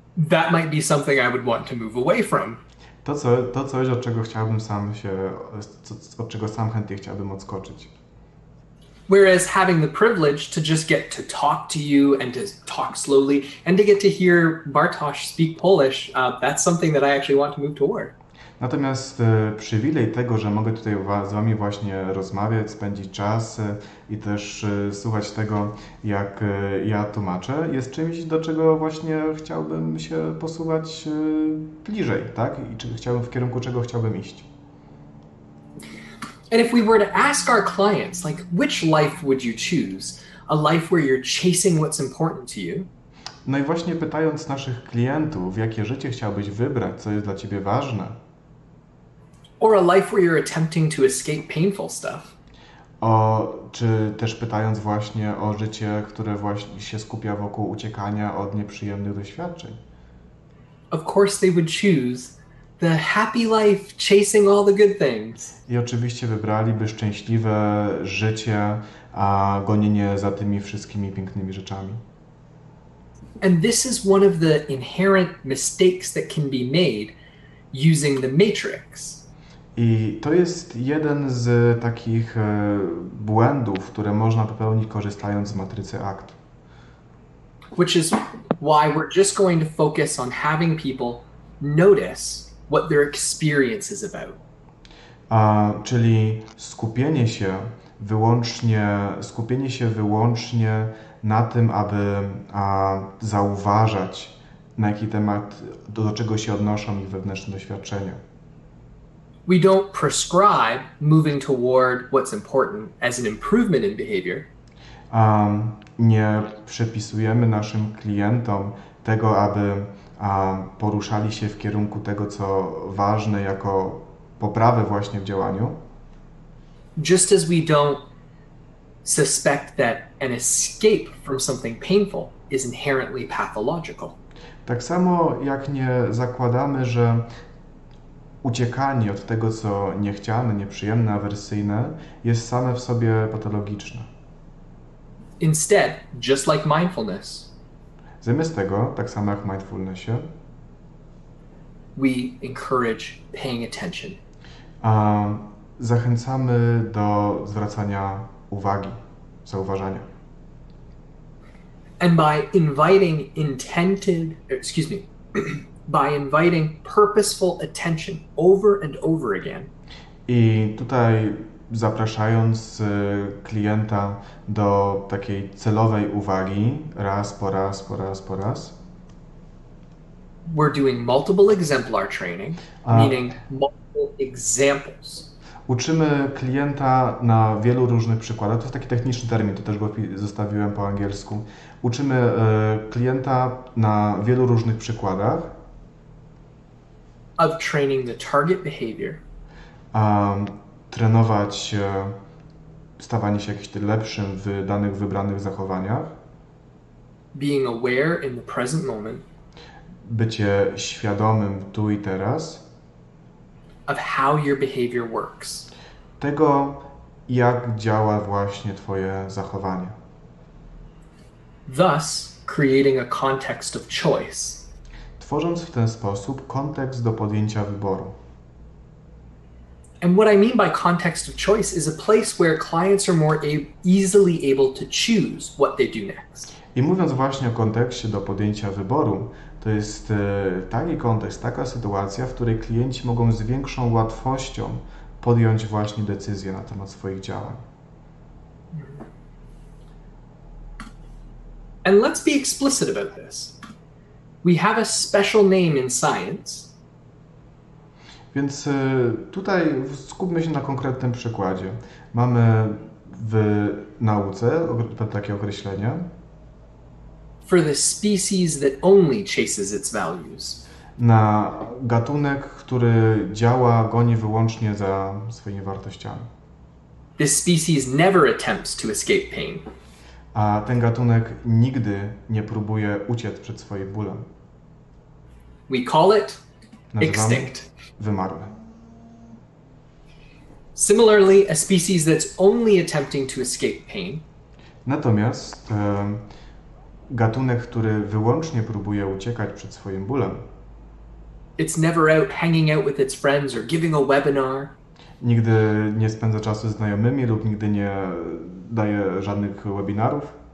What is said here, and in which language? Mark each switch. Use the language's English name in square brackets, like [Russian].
[English] That might be something I would want to move away from. [Polish] To coś, od czego chciałbym sam się, od czego sam chętnie chciałbym odskoczyć. [English] Whereas having the privilege to just get to talk to you and to talk slowly and to get to hear Bartosz speak Polish, that's something that I actually want to move toward. [Polish] Natomiast przywilej tego, że mogę tutaj z wami właśnie rozmawiać, spędzić czas i też słuchać tego, jak ja tłumaczę, jest czymś, do czego właśnie chciałbym się posuwać bliżej, tak? I czy chciałbym w kierunku czego chciałbym iść. [English] And if we were to ask our clients, like, which life would you choose? A life where you're chasing what's important to you? [Polish] No i właśnie pytając naszych klientów, jakie życie chciałbyś wybrać, co jest dla ciebie ważne? [English] Or a life where you're attempting to escape painful stuff? [Polish] Czy też pytając właśnie o życie, które właśnie się skupia wokół uciekania od nieprzyjemnych doświadczeń? [English] Of course they would choose the happy life chasing all the good things. [Polish] I oczywiście wybraliby szczęśliwe życie, a gonienie za tymi wszystkimi pięknymi rzeczami. [English] And this is one of the inherent mistakes that can be made using the matrix. [Polish] I to jest jeden z takich błędów, które można popełnić korzystając z matrycy ACT. [English] Which is why we're just going to focus on having people notice what their experience is about. [Polish] Czyli skupienie się wyłącznie na tym, aby zauważać, na jaki temat, do czego się odnoszą ich wewnętrzne doświadczenia. [English] We don't prescribe moving toward what's important as an improvement in behavior. [Polish] Nie przepisujemy naszym klientom tego, aby poruszali się w kierunku tego, co ważne jako poprawę właśnie w działaniu. [English] Just as we don't suspect that an escape from something painful is inherently pathological. [Polish] Tak samo jak nie zakładamy, że uciekanie od tego, co niechciane, nieprzyjemne, awersyjne, jest same w sobie patologiczne. [English] Instead, just like mindfulness, [Polish] zamiast tego, tak samo jak w mindfulnessie, [English] we encourage paying attention. [Polish] Zachęcamy do zwracania uwagi, zauważania. [English] And by inviting intended, excuse me, by inviting purposeful attention over and over again. [Polish] I tutaj zapraszając klienta do takiej celowej uwagi raz po raz po raz po raz. [English] We're doing multiple exemplar training, meaning multiple examples. [Polish] Uczymy klienta na wielu różnych przykładach. To jest taki techniczny termin, to też go zostawiłem po angielsku. Uczymy klienta na wielu różnych przykładach. [English] Of training the target behavior. [Polish] Trenować stawanie się jakimś lepszym w danych wybranych zachowaniach. [English] Being aware in the present moment. [Polish] Bycie świadomym tu i teraz. [English] Of how your behavior works. [Polish] Tego, jak działa właśnie twoje zachowanie. [English] Thus, creating a context of choice. [Polish] Tworząc w ten sposób kontekst do podjęcia wyboru. [English] And what I mean by context of choice is a place where clients are more easily able to choose what they do next. [Polish] I mówiąc właśnie o kontekście do podjęcia wyboru, to jest taki kontekst, taka sytuacja, w której klienci mogą z większą łatwością podjąć właśnie decyzję na temat swoich działań. [English] And let's be explicit about this. We have a special name in science. [Polish] Więc tutaj skupmy się na konkretnym przykładzie. Mamy w nauce takie określenie. [English] For the species that only chases its values. [Polish] Na gatunek, który działa, goni wyłącznie za swoimi wartościami. [English] This species never attempts to escape pain. [Polish] A ten gatunek nigdy nie próbuje uciec przed swoim bólem. [English] We call it extinct. [Polish] Wymarły. [English] Similarly, a species that's only attempting to escape pain. [Polish] Natomiast gatunek, który wyłącznie próbuje uciekać przed swoim bólem. [English] It's never out hanging out with its friends or giving a webinar. [Polish] Nigdy nie spędza czasu z znajomymi lub nigdy nie daje żadnych webinarów.